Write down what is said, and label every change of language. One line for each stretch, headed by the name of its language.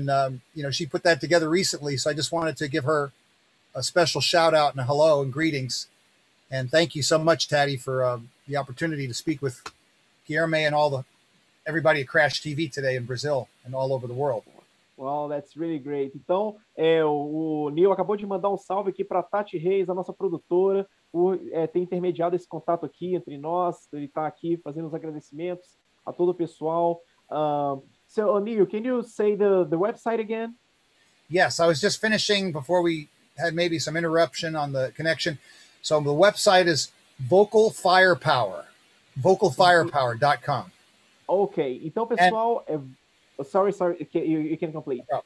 English: And, you know, she put that together recently. So I just wanted to give her a special shout out and a hello and greetings. And thank you so much, Taddy, for the opportunity to speak with Guilherme and all the everybody at Crash TV today in Brazil and all over the world. Well, that's really great.
Portuguese: Então, o Neil acabou de mandar um salve aqui para a Tati Reis, a nossa produtora, por ter intermediado esse contato aqui entre nós. Ele está aqui fazendo os agradecimentos a todo o pessoal.
English: So, Neil, can you say the website again? Yes, I was just finishing before we had maybe some interruption on the connection. So the website is Vocal Firepower, vocalfirepower.com. Okay,
Portuguese: então, pessoal,
English: you can complete.